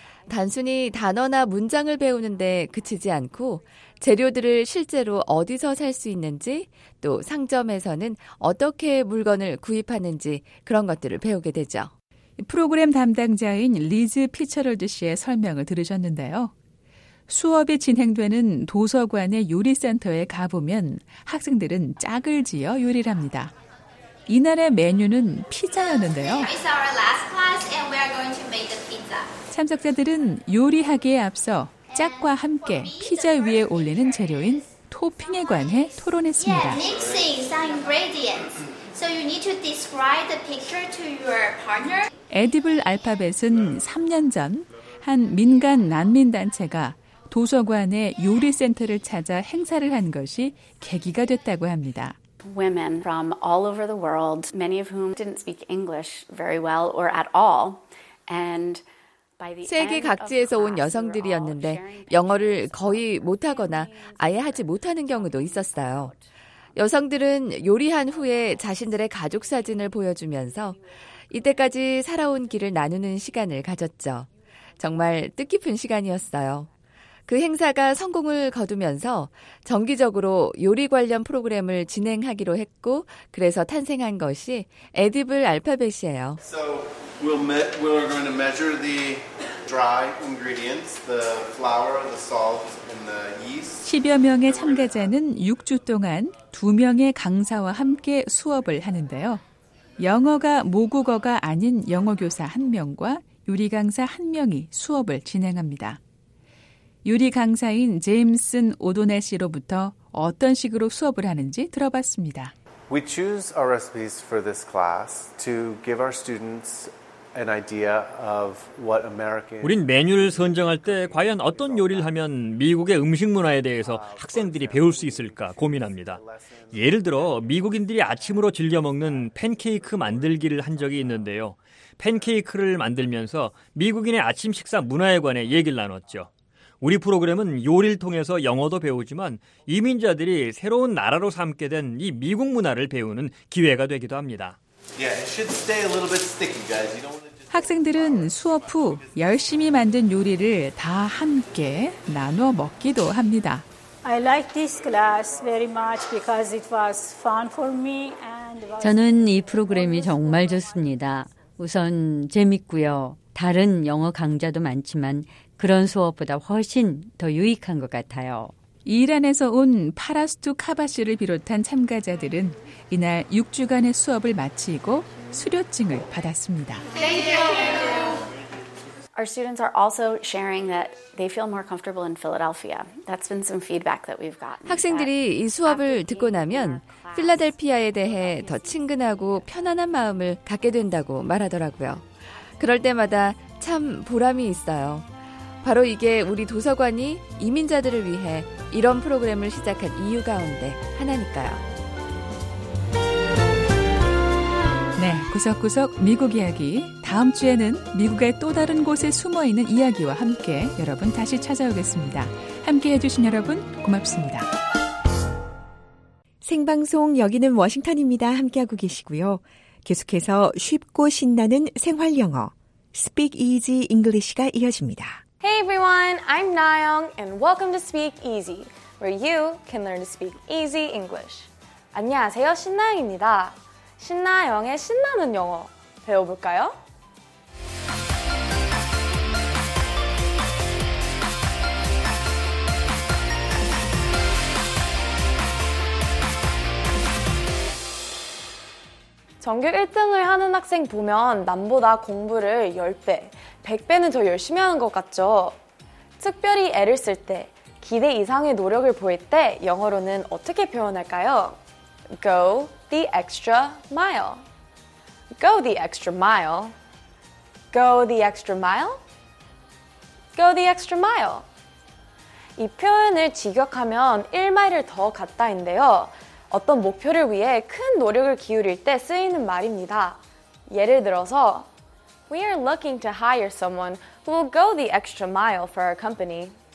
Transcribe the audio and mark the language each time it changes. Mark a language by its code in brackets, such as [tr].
[ko] 단순히 단어나 문장을 배우는 데 그치지 않고 재료들을 실제로 어디서 살 수 있는지 또 상점에서는 어떻게 물건을 구입하는지 그런 것들을 배우게 되죠. 프로그램 담당자인 리즈 피처럴드 씨의 설명을 들으셨는데요. 수업이 진행되는 도서관의 요리센터에 가보면 학생들은 짝을 지어 요리를 합니다. 이날의 메뉴는 피자였는데요. [en] It's our last class and we are going to make the pizza. [ko] 참석자들은 요리하기에 앞서 짝과 함께 피자 위에 올리는 재료인 토핑에 관해 토론했습니다. [en] Yeah, mixing some ingredients. So you need to describe the picture to your partner. [ko] 에디블 알파벳은 3년 전 한 민간 난민 단체가 도서관의 요리 센터를 찾아 행사를 한 것이 계기가 됐다고 합니다. [en] Women from all over the world, many of whom didn't speak English very well or at all, and [ko] 세계 각지에서 온 여성들이었는데 영어를 거의 못하거나 아예 하지 못하는 경우도 있었어요. 여성들은 요리한 후에 자신들의 가족 사진을 보여주면서 이때까지 살아온 길을 나누는 시간을 가졌죠. 정말 뜻깊은 시간이었어요. 그 행사가 성공을 거두면서 정기적으로 요리 관련 프로그램을 진행하기로 했고 그래서 탄생한 것이 에디블 알파벳이에요. [en] We're going to measure the dry ingredients, the flour, the salt, and the yeast. [ko] 10여 명의 참가자는 6주 동안 두 명의 강사와 함께 수업을 하는데요. 영어가 모국어가 아닌 영어 교사 한 명과 요리 강사 한 명이 수업을 진행합니다. 요리 강사인 제임슨 오도넬 씨로부터 어떤 식으로 수업을 하는지 들어봤습니다. [en] We choose our recipes for this class to give our students an idea of what American [ko] 우린 메뉴를 선정할 때 과연 어떤 요리를 하면 미국의 음식 문화에 대해서 학생들이 배울 수 있을까 고민합니다. 예를 들어 미국인들이 아침으로 즐겨 먹는 팬케이크 만들기를 한 적이 있는데요. 팬케이크를 만들면서 미국인의 아침 식사 문화에 관해 얘기를 나눴죠. 우리 프로그램은 요리를 통해서 영어도 배우지만 이민자들이 새로운 나라로 삼게 된 이 미국 문화를 배우는 기회가 되기도 합니다. [en] Yeah, it should stay a little bit sticky, guys. You don't want to just... [ko] 학생들은 수업 후 열심히 만든 요리를 다 함께 나눠 먹기도 합니다. [en] I like this class very much because it was fun for me and [ko] 저는 이 프로그램이 정말 좋습니다. 우선 재밌고요. 다른 영어 강좌도 많지만 그런 수업보다 훨씬 더 유익한 것 같아요. 이란에서 온 파라스투 카바시를 비롯한 참가자들은 이날 6주간의 수업을 마치고 수료증을 받았습니다. [en] Thank you. Our students are also sharing that they feel more comfortable in Philadelphia. That's been some feedback that we've gotten. [ko] 학생들이 이 수업을 듣고 나면 필라델피아에 대해 더 친근하고 편안한 마음을 갖게 된다고 말하더라고요. 그럴 때마다 참 보람이 있어요. 바로 이게 우리 도서관이 이민자들을 위해 이런 프로그램을 시작한 이유 가운데 하나니까요. 네, 구석구석 미국 이야기. 다음 주에는 미국의 또 다른 곳에 숨어있는 이야기와 함께 여러분 다시 찾아오겠습니다. 함께해 주신 여러분 고맙습니다. 생방송 여기는 워싱턴입니다. 함께하고 계시고요. 계속해서 쉽고 신나는 생활 영어, Speak Easy English가 이어집니다. [en] Hey everyone, I'm Nayoung and welcome to Speak Easy, where you can learn to speak easy English. [ko] 안녕하세요, 신나영입니다. 신나영의 신나는 영어 배워볼까요? 전교 1등을 하는 학생 보면 남보다 공부를 10배, 100배는 더 열심히 하는 것 같죠? 특별히 애를 쓸 때, 기대 이상의 노력을 보일 때 영어로는 어떻게 표현할까요? [en] Go the extra mile. Go the extra mile. Go the extra mile. Go the extra mile. [ko] 이 표현을 직역하면 1마일을 더 갔다인데요. 어떤 목표를 위해 큰 노력을 기울일 때 쓰이는 말입니다. 예를 들어서 [en] We are looking to hire someone who will go the extra mile for our company.